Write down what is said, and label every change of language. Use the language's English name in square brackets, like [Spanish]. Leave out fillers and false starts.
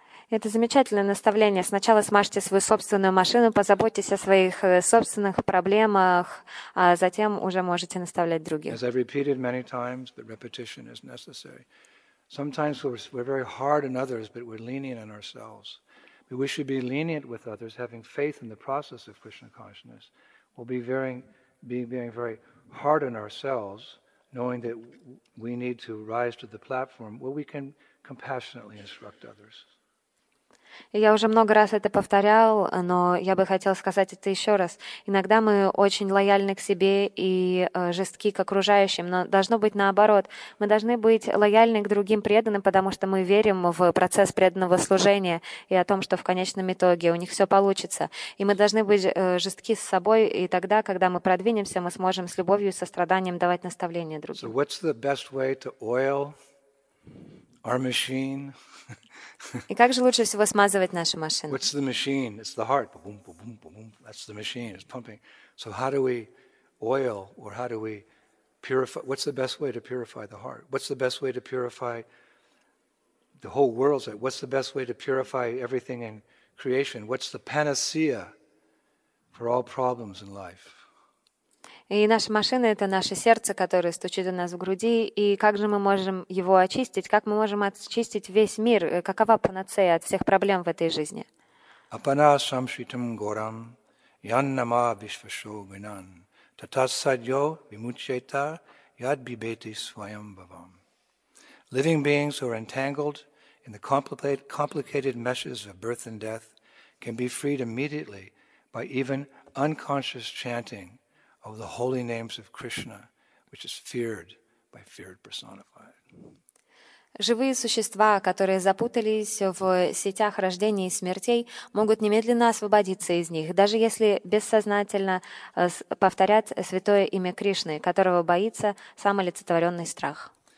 [Russian] Это замечательное наставление. Сначала смажьте свою собственную машину, позаботьтесь о своих собственных проблемах, а затем уже можете наставлять других. [English] As I've repeated many times, but repetition is necessary. Sometimes we're very hard on others, but we're lenient on ourselves. But we should be lenient with others, having faith in the process of Krishna consciousness. We'll be being very hard on ourselves, knowing that we need to rise to the platform where we can compassionately instruct others. [Russian] Я уже много раз это повторял, но я бы хотела сказать это еще раз. Иногда мы очень лояльны к себе и жестки к окружающим, но должно быть наоборот. Мы должны быть лояльны к другим преданным, потому что мы верим в процесс преданного служения и о том, что в конечном итоге у них все получится. И мы должны быть жестки с собой, и тогда, когда мы продвинемся, мы сможем с любовью и состраданием давать наставления другим. [English] So what's the best way to oil our machine? [Russian] И как же лучше всего смазывать наши машины? [English] What's the machine? It's the heart. Boom, boom, boom, boom. That's the machine. It's pumping. So how do we oil or how do we purify? What's the best way to purify the heart? What's the best way to purify the whole world? What's the best way to purify everything in creation? What's the panacea for all problems in life? [Russian] И наша машина — это наше сердце, которое стучит у нас в груди. И как же мы можем его очистить? Как мы можем очистить весь мир? Какова панацея от всех проблем в этой жизни? [Sanskrit] Апана самшитам горам яннама бишвашо гинан татасадьо вимучета яд бибети своям бавам. [English] Living beings who are entangled in the complicated meshes of birth and death can be freed immediately by even unconscious chanting of the holy names of Krishna, which is feared by feared personified. [Russian] Живые существа, которые запутались в сетях рождения и смертей, могут немедленно освободиться из них, даже если бессознательно повторят святое имя Кришны, которого боится самолицетворенный страх.